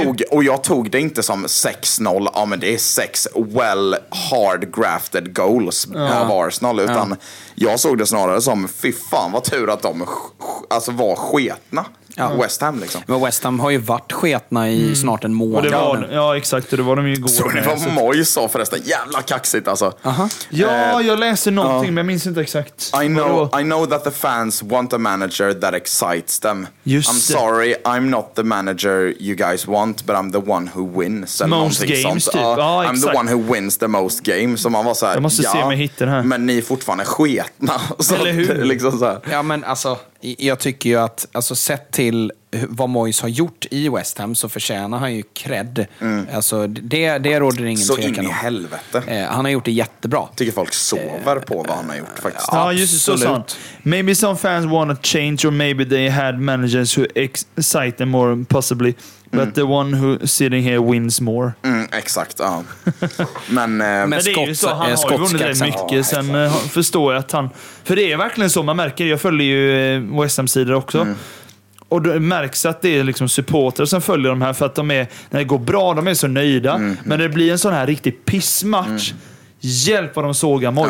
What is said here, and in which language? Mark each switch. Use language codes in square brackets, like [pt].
[sv] Och jag tog det inte som 6-0, ja men det är 6 [en] well hard grafted goals [sv] av Arsenal, utan jag såg det snarare som, fy fan vad tur att de alltså var sketna. Ja. West Ham liksom. Men West Ham har ju varit sketna i snart en månad. Det var de ju igår. Så ni vad Moj sa förresten, jävla kaxigt alltså. Uh-huh. Ja, jag läste någonting men jag minns inte exakt. [en] I know that the fans want a manager that excites them. Just I'm sorry, I'm not the manager you guys want, but I'm the one who wins the most games. I'm the one who wins the most games. [sv] Så man var så här, jag måste se om jag hittar här. Men ni är fortfarande sketna. Så eller hur? Liksom så här. Ja, men alltså, jag tycker ju att, alltså, sett till vad Moyes har gjort i West Ham så förtjänar han ju cred. Mm. Alltså, det råder ingen tvekan om. Så in i helvete. Han har gjort det jättebra. Tycker folk sover på vad han har gjort faktiskt. Ja, just så sant. [en] Maybe some fans want to change or maybe they had managers who excite them more possibly. But the one who sitting here wins more. [sv] Mm, exakt, ja. Men det är ju så, han har vunnit rätt mycket. Ja, sen förstår jag att han... För det är verkligen så man märker. Jag följer ju West Ham-sidor också. Mm. Och det märks att det är liksom supporter som följer de här. För att de är, när det går bra, de är så nöjda. Mm. Men det blir en sån här riktig pissmatch. Mm. Hjälp vad de sågar Moyes.